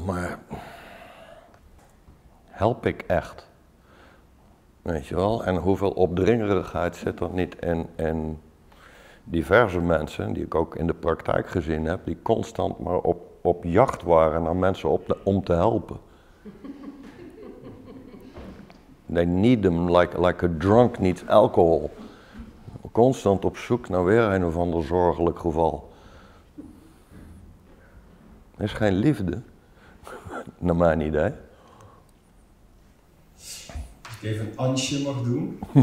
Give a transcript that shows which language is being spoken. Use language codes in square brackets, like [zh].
[nl] Maar help ik echt? Weet je wel? En hoeveel opdringerigheid zit er niet in diverse mensen, die ik ook in de praktijk gezien heb, die constant maar op jacht waren naar mensen om te helpen. [en] They need them like a drunk needs alcohol. [nl] Constant op zoek naar weer een of ander zorgelijk geval. Dat is geen liefde, naar mijn idee. Als ik even een ansje mag doen.